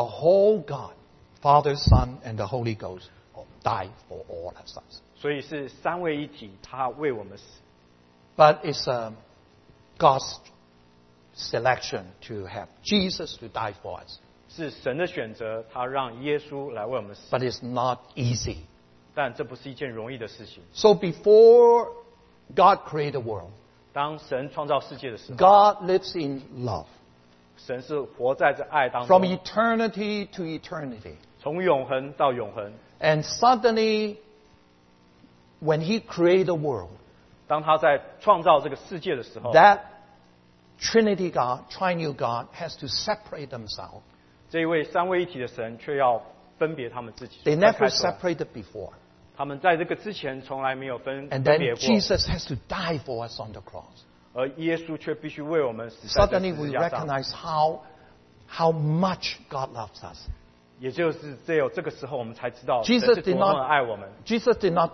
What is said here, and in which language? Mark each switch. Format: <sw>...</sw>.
<en>The whole God, Father, Son, and the Holy Ghost, died for all of us.</en> <zh>所以是三位一体，他为我们死。But</zh> <en>it's a God's selection to have Jesus to die for us.</en> <zh>是神的选择，他让耶稣来为我们死。But</zh> <en>it's not easy.</en> <zh>但这不是一件容易的事情。So</zh> <en>before God created the world,</en> <zh>当神创造世界的时候，</zh> <en>God lives in love.</en> <zh>神是活在这爱当中。</zh> <en>From eternity to eternity.</en> <zh>从永恒到永恒。</zh> <en>And suddenly, when He created the world,</en> <zh>当他在创造这个世界的时候，</zh> <en>that Trinity God, Triune God, has to separate themselves.</en> <zh>这一位三位一体的神却要分别他们自己。</zh> <en>They never separated before. And then Jesus has to die for us on the cross. Suddenly we recognize how much God loves us. Jesus did not</en>